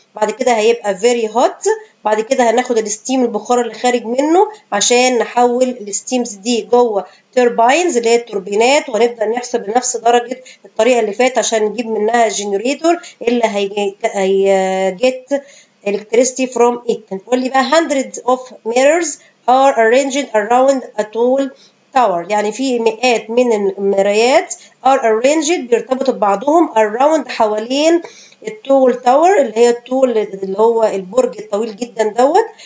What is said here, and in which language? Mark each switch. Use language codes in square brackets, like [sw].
[ar] بعد كده هيبقى [en] very hot. [ar] بعد كده هناخد الستيم البخار اللي خارج منه عشان نحول الستيمز دي جوه turbines اللي هي التوربينات وهنبدأ نحسب بنفس درجة الطريقة اللي فات عشان نجيب منها الجنريتور اللي هي [en] get electricity from it. [ar] نقول لي بقى [en] hundreds of mirrors are arranged around a tall tower. [ar] يعني في مئات من المرايات [en] are arranged [ar] بيرتبطوا ببعضهم around حوالين التول تاور اللي هي التول اللي هو البرج الطويل جدا دوت.